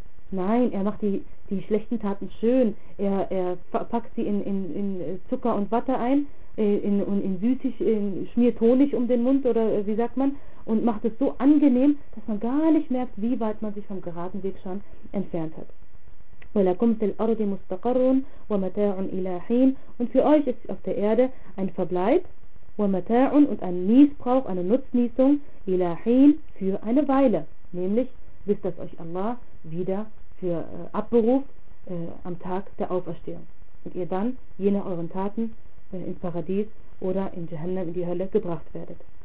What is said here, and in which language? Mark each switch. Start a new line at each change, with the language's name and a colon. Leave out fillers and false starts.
German: Nein, er macht die schlechten Taten schön, er packt sie in Zucker und Watte ein, schmiert Honig um den Mund oder wie sagt man, und macht es so angenehm, dass man gar nicht merkt, wie weit man sich vom geraden Weg schon entfernt hat.
Arabic: ولكم في الأرض مستقر ومتاع إلى حين.
German: Und für euch ist auf der Erde ein Verbleib
Arabic: ومتاع
German: und ein Nießbrauch, eine Nutznießung
Arabic: إلى حين,
German: für eine Weile, nämlich bis dass euch Allah wieder für abberuft am Tag der Auferstehung und ihr dann je nach euren Taten ins Paradies oder in Jahannam, in die Hölle gebracht werdet.